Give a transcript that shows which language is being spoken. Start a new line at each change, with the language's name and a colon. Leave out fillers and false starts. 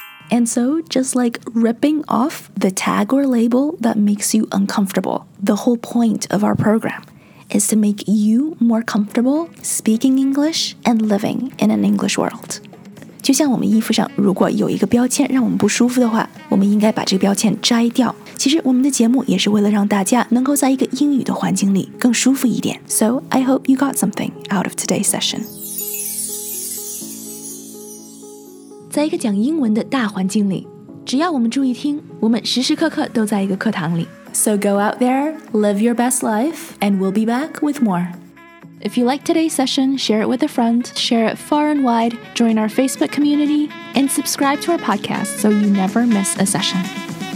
English: And so, just like ripping off the tag or label that makes you uncomfortable, the whole point of our program is to make you more comfortable speaking English and living in an English world.
Chinese: 就像我们衣服上如果有一个标签让我们不舒服的话，我们应该把这个标签摘掉。其实我们的节目也是为了让大家能够在一个英语的环境里更舒服一点。
English: So I hope you got something out of today's session.
Chinese: 在一个讲英文的大环境里，只要我们注意听，我们时时刻刻都在一个课堂里。
English: So go out there, live your best life, and we'll be back with more. If you like today's session, share it with a friend, share it far and wide, join our Facebook community, and subscribe to our podcast so you never miss a session.